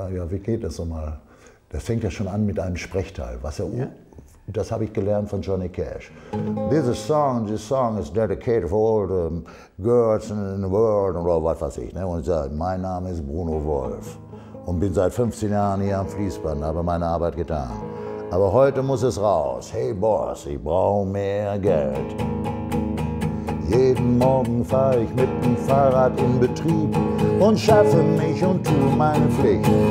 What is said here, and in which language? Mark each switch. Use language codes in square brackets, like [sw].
[de] Wie geht das nochmal? Das fängt ja schon an mit einem Sprechteil. Das habe ich gelernt von Johnny Cash. [en] This song is dedicated for all the girls in the world [de] oder was weiß ich. Ne? Und ich sage, mein Name ist Bruno Wolf und bin seit 15 Jahren hier am Fließband, habe meine Arbeit getan. Aber heute muss es raus. Hey Boss, ich brauche mehr Geld. Jeden Morgen fahre ich mit dem Fahrrad in Betrieb und schaffe mich und tue meine Pflicht.